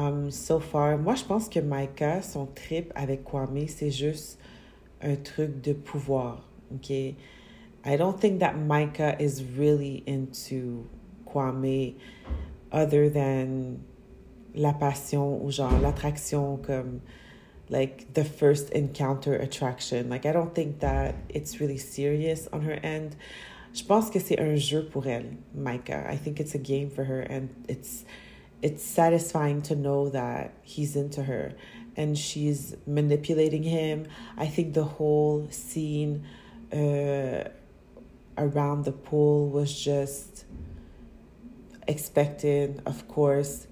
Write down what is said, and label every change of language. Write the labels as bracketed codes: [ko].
[fr] So far, moi je pense que Micah, son trip avec Kwame, c'est juste un truc de pouvoir, okay? [en] I don't think that Micah is really into Kwame other than [fr] la passion ou genre l'attraction comme, [en] like, the first encounter attraction. Like, I don't think that it's really serious on her end. [fr] Je pense que c'est un jeu pour elle, Micah. [en] I think it's a game for her, and it's satisfying to know that he's into her. And she's manipulating him. I think the whole scene around the pool was just expected, of course.